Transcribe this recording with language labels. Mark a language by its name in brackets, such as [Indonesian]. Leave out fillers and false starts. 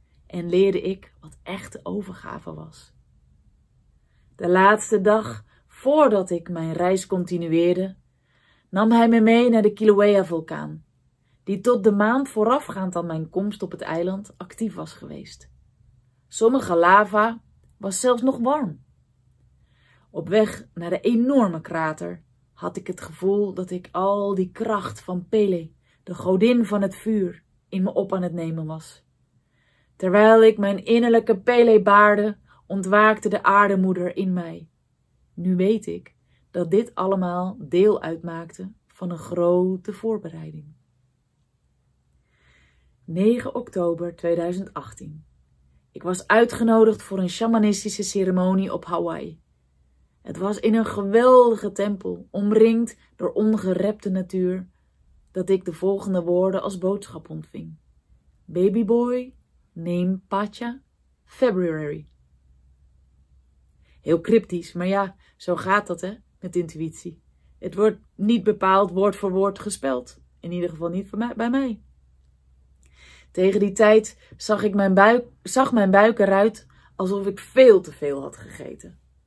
[Dutch] En leerde ik wat echte overgave was. De laatste dag voordat ik mijn reis continueerde, nam hij me mee naar de Kilauea-vulkaan, die tot de maand voorafgaand aan mijn komst op het eiland actief was geweest. Sommige lava was zelfs nog warm. Op weg naar de enorme krater had ik het gevoel dat ik al die kracht van Pele, de godin van het vuur, in me op aan het nemen was. Terwijl ik mijn innerlijke Pele baarde ontwaakte de aardemoeder in mij. Nu weet ik dat dit allemaal deel uitmaakte van een grote voorbereiding. 9 oktober 2018. Ik was uitgenodigd voor een shamanistische ceremonie op Hawaii. Het was in een geweldige tempel, omringd door ongerepte natuur, dat ik de volgende woorden als boodschap ontving. [English] Baby boy, name Pacha, February. [Dutch] Heel cryptisch, maar ja, zo gaat dat, hè, met intuïtie. Het wordt niet bepaald woord voor woord gespeld. In ieder geval niet bij mij. Tegen die tijd zag mijn buik eruit alsof ik veel te veel had gegeten.